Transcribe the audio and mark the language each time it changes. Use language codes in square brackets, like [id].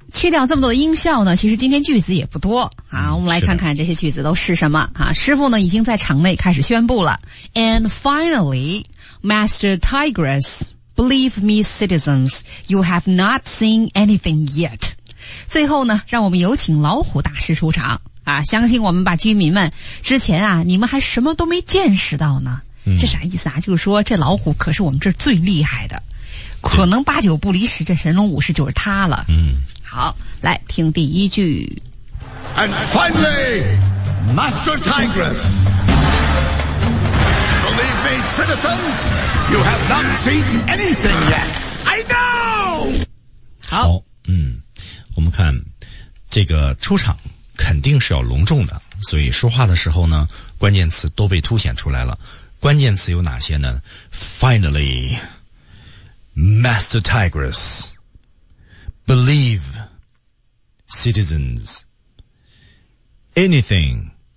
[zh] 去掉这么多的音效呢，其实今天句子也不多啊。我们来看看这些句子都是什么啊。师傅呢已经在场内开始宣布了。 [en] And finally, Master Tigress, believe me, citizens, you have not seen anything yet. [zh] 最后呢，让我们有请老虎大师出场啊！相信我们把居民们之前啊，你们还什么都没见识到呢。这啥意思啊？就是说这老虎可是我们这儿最厉害的，可能八九不离十，这神龙武士就是他了。嗯，好，来听第一句。 [en] And finally, Master Tigress, believe me, citizens, you have not seen anything yet. I know. [zh] 好，嗯。我们看这个出场肯定是要隆重的，所以说话的时候呢，关键词都被凸显出来了。关键词有哪些呢？ [en] Finally, Master Tigress, Believe Citizens Anything。